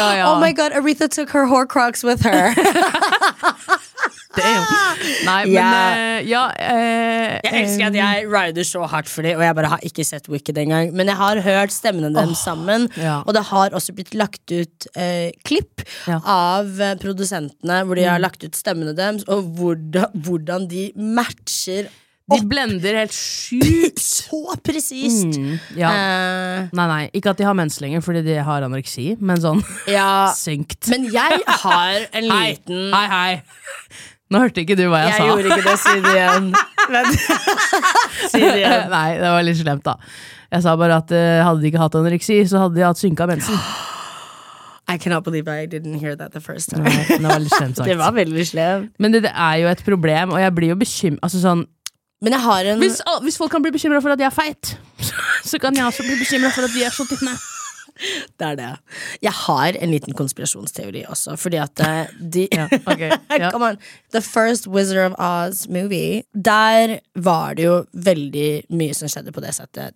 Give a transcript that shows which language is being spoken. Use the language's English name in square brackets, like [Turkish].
[English] Oh my god, Aretha took her horcrux with her. [Norwegian] Damn. Nei, jeg elsker at jeg rider så hardt for det. Og jeg bare har ikke sett Wicked en gang. Men jeg har hørt stemmene dem sammen. Og det har også blitt lagt ut klipp av produsentene, hvor de har lagt ut stemmene dem, og hvordan de matcher. De blender helt sjukt. Så presist. Nei, ikke at de har mens lenger, fordi de har anoreksi, men sånn synkt. Men jeg har en liten Hei. Nå hørte ikke du hva jeg sa. Jeg gjorde ikke det, si det igjen. Nei, det var litt slemt da. Jeg sa bare at hadde de ikke hatt anoreksi, så hadde de hatt synka mensen. [English] I cannot believe I didn't hear that the first time. [Norwegian] Det var litt slemt sagt. Det var veldig slemt. Men det er jo et problem, og jeg blir jo bekymret. Altså sånn, men jeg har en hvis folk kan bli bekymret for at de er feit, så kan jeg også bli bekymret for at de er så tynne. Det er det. Jeg har en liten konspirasjonsteori også, fordi at de [English] come on, the first Wizard of Oz movie, [Norwegian] der var det jo veldig mye som skjedde på det settet.